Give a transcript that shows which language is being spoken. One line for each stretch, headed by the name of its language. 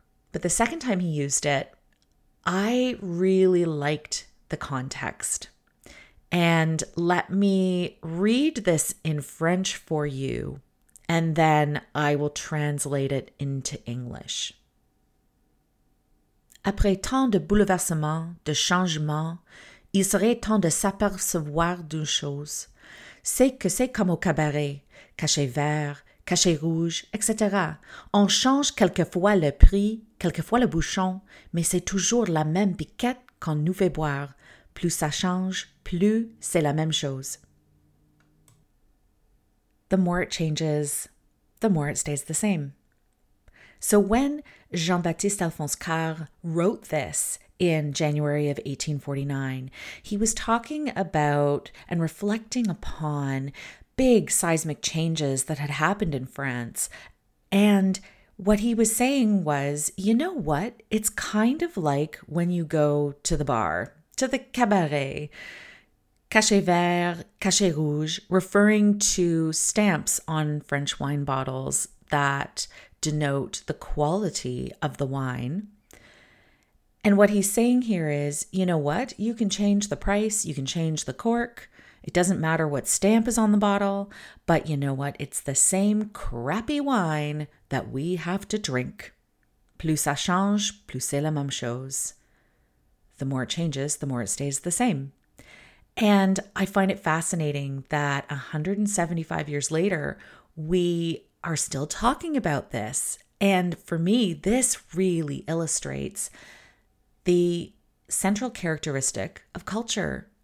English: But the second time he used it, I really liked the context. And let me read this in French for you, and then I will translate it into English.
French: Après tant de bouleversements, de changements, il serait temps de s'apercevoir d'une chose. C'est que c'est comme au cabaret, cachet vert, cachet rouge, etc. On change quelquefois le prix, quelquefois le bouchon, mais c'est toujours la même piquette qu'on nous fait boire. Plus ça change, plus c'est la même chose.
English: The more it changes, the more it stays the same. So when Jean-Baptiste Alphonse Karr wrote this in January of 1849, he was talking about and reflecting upon big seismic changes that had happened in France. And what he was saying was, you know what? It's kind of like when you go to the bar, to the cabaret,
French: cachet vert, cachet rouge,
English: referring to stamps on French wine bottles that denote the quality of the wine. And what he's saying here is, you know what? You can change the price, you can change the cork. It doesn't matter what stamp is on the bottle, but you know what? It's the same crappy wine that we have to drink. Plus ça change, plus c'est la même chose. The more it changes, the more it stays the same. And I find it fascinating that 175 years later, we are still talking about this. And for me, this really illustrates the central characteristic of culture.